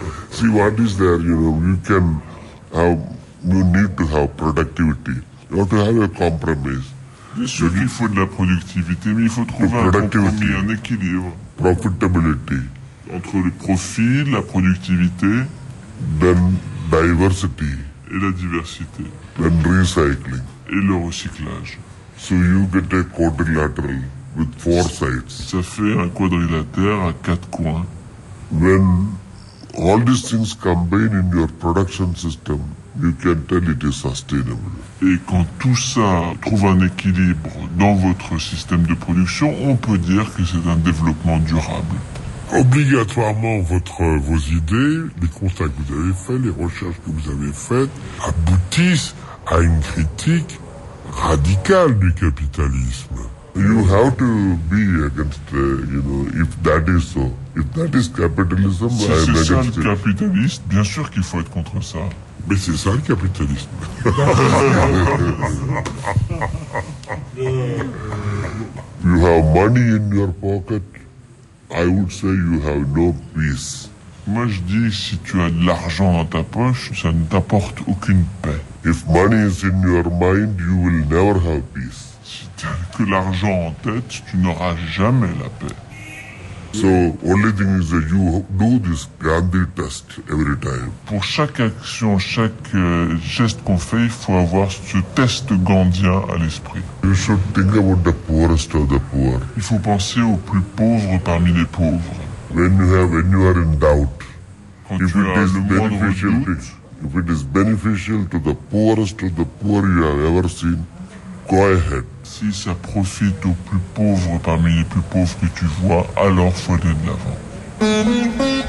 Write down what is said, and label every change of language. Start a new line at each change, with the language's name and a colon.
English: See, what is there, you know, you need to have productivity. You have to have a compromise.
French: Bien sûr qu'il faut de la productivité, mais il faut trouver un compromis, un équilibre.
English: Profitability.
French: Entre le profit, la productivité.
English: Then diversity.
French: Et la diversité.
English: Then recycling.
French: Et le recyclage.
English: So you get a quadrilateral with four sides.
French: Ça fait un quadrilatère à quatre coins.
English: When all these things combine in your production system, you can tell it is sustainable.
French: Et quand tout ça trouve un équilibre dans votre système de production, on peut dire que c'est un développement durable. Obligatoirement, vos idées, les constats que vous avez faits, les recherches que vous avez faites, aboutissent à une critique radicale du capitalisme.
English: You have to be against, if that is so. If that is capitalism,
French: si
English: I'm
French: c'est ça le capitaliste, bien sûr qu'il faut être contre ça. Mais c'est ça le capitalisme.
English: You have money in your pocket, I would say you have no peace.
French: Moi je dis, si tu as de l'argent dans ta poche, ça ne t'apporte aucune paix.
English: If money is in your mind, you will never have peace.
French: Si tu n'as que l'argent en tête, tu n'auras jamais la paix.
English: So, only thing is that you do this Gandhi test every time.
French: Pour chaque action, chaque geste qu'on fait, il faut avoir ce test gandhien à l'esprit.
English: You should think about the poorest of the poor.
French: Il faut penser aux plus pauvres parmi les pauvres.
English: When you are in doubt, if it is beneficial to the poorest of the poor you have ever seen, go ahead.
French: Si ça profite aux plus pauvres parmi les plus pauvres que tu vois, alors faut aller de l'avant.